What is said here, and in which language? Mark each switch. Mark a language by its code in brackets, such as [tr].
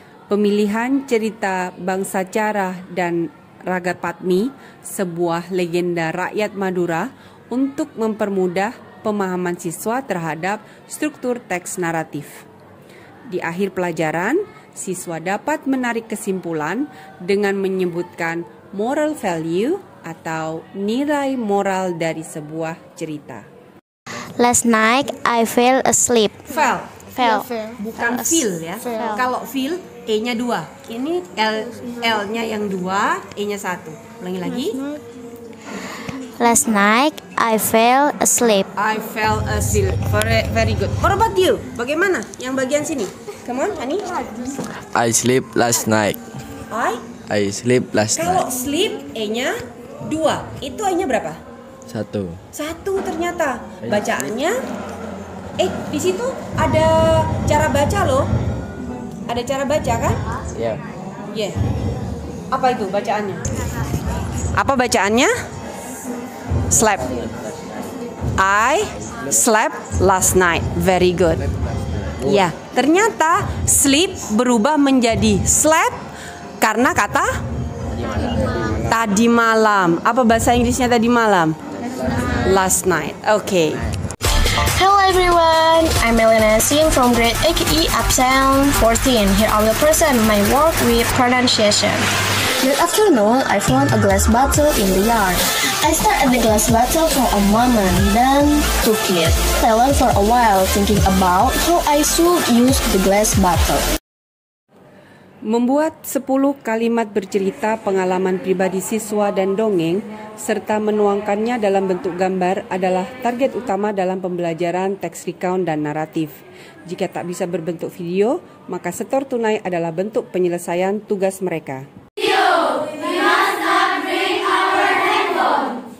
[id] Pemilihan cerita Bangsa Cara dan Raga Padmi, sebuah legenda rakyat Madura, untuk mempermudah pemahaman siswa terhadap struktur teks naratif. Di akhir pelajaran, siswa dapat menarik kesimpulan dengan menyebutkan moral value atau nilai moral dari sebuah cerita. [en] Last night I fell asleep. Fell. Fell. [id] Bukan feel ya. [en] Fell. [id] Kalau feel, E-nya dua. Ini L-nya yang dua, E-nya satu. Ulangi lagi. [en] Last night I fell asleep. I fell asleep. Very good. What about you? [id] Bagaimana yang bagian sini? [en] Come on, honey. I sleep last night. I sleep last night. [id] Kalau sleep, E-nya dua. Itu E-nya berapa? Satu. Satu ternyata bacaannya. Di situ ada cara baca loh. Ada cara baca kan? Iya. Iya. Apa itu bacaannya? Apa bacaannya? [en] slept. I slept last night. Very good. [id] Ya, ternyata sleep berubah menjadi slept karena kata tadi malam. Apa bahasa Inggrisnya tadi malam? [en] Last night. Oke. Hello everyone, I'm Elena Sim from grade AKE Upsound 14. Here I will present my work with pronunciation. That afternoon, I found a glass bottle in the yard. I stared at the glass bottle for a moment, then took it. I lay for a while thinking about how I should use the glass bottle. [id] Membuat 10 kalimat bercerita pengalaman pribadi siswa dan dongeng serta menuangkannya dalam bentuk gambar adalah target utama dalam pembelajaran teks recount dan naratif. Jika tak bisa berbentuk video, maka setor tunai adalah bentuk penyelesaian tugas mereka. [en] Video, we must not bring our handphone.